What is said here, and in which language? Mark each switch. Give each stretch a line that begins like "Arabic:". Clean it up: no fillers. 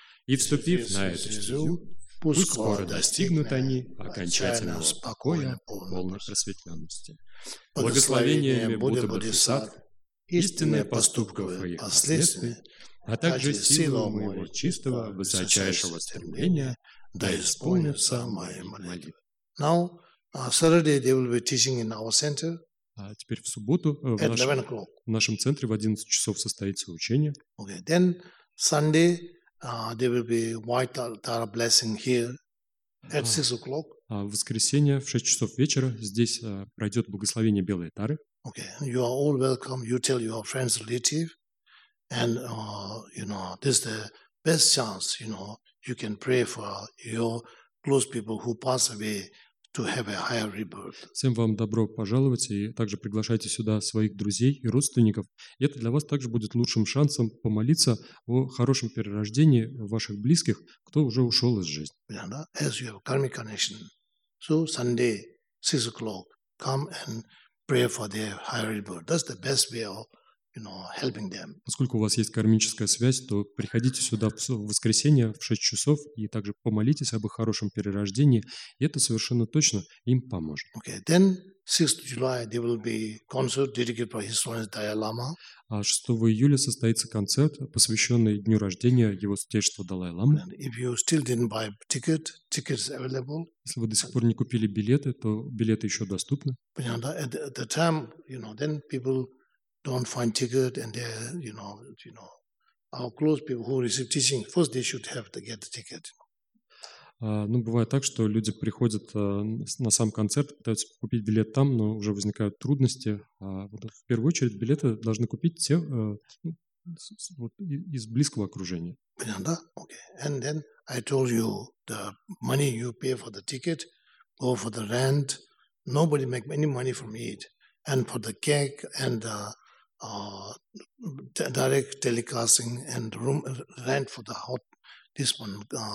Russian: И вступив на эту стезю, пусть скоро достигнут они окончательного спокоя, полной просветленности. Благословениями Будды Бодхисаттв, истинные поступковые последствия, а также силу моего чистого, высочайшего стремления, да исполнится моя молитва.
English: Now, Saturday they will be teaching in our center.
Russian: Теперь в субботу в нашем центре в 11 часов состоится учение.
English: Okay, then Sunday there will be White Tara blessing here at 6 o'clock.
Russian: В воскресенье в 6 часов вечера здесь пройдет благословение Белой Тары.
English: Okay, you are all welcome. You tell your friends, relatives. And, you know, this is the best chance, you know, you can pray for your close people who pass away to have a higher rebirth.
Russian: Всем вам добро пожаловать и также приглашайте сюда своих друзей и родственников. И это для вас также будет лучшим шансом помолиться о хорошем перерождении ваших близких, кто уже ушел из жизни.
English: Yeah, as you have karmic connection. So, Sunday, 6 o'clock, come and pray for their higher rebirth. That's the best way of, you know, helping them.
Russian: Поскольку у вас есть кармическая связь, то приходите сюда в воскресенье в 6 часов и также помолитесь об их хорошем перерождении, и это совершенно точно им поможет.
English: Okay, then 6 July there will be concert dedicated by His Holiness Dalai Lama.
Russian: 6 июля состоится концерт, посвященный дню рождения Его Святейшества Далай Лама.
English: If you still didn't buy ticket, tickets available.
Russian: Если вы до сих пор не купили билеты, то билеты еще доступны. Понятно.
English: At the time, you know, then people don't find ticket, and they, you know, our close people who receive teaching, first they should have to get the ticket.
Russian: Ну, бывает так, что люди приходят на сам концерт, пытаются купить билет там, но уже возникают трудности. Вот, в первую очередь билеты должны купить те вот, из близкого окружения. Понятно? Okay.
English: And then I told you the money you pay for the ticket, or for the rent, nobody make any money from it. And for the cake, and the direct telecasting, and room rent for the hot, this one,